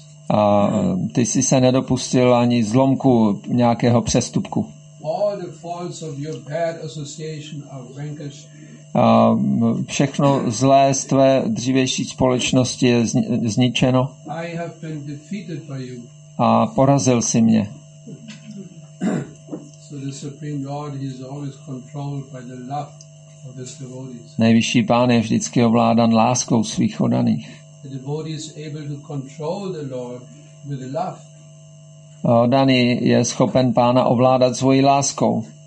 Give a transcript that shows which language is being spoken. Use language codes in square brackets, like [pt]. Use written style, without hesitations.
[cs] A ty jsi se nedopustil ani zlomku nějakého přestupku. [en] All the faults of your bad association are vanquished. [cs] Všechno zlé z tvé dřívější společnosti je zničeno. [en] I have been defeated by you. [cs] A porazil jsi mě. [en] So the Supreme Lord, he is always controlled by the love of his devotees. [cs] Nejvyšší pán je vždycky ovládán láskou svých oddaných. [en] The devotee is able to control the Lord with the love. [cs] Oddaný je schopen pána ovládat svojí láskou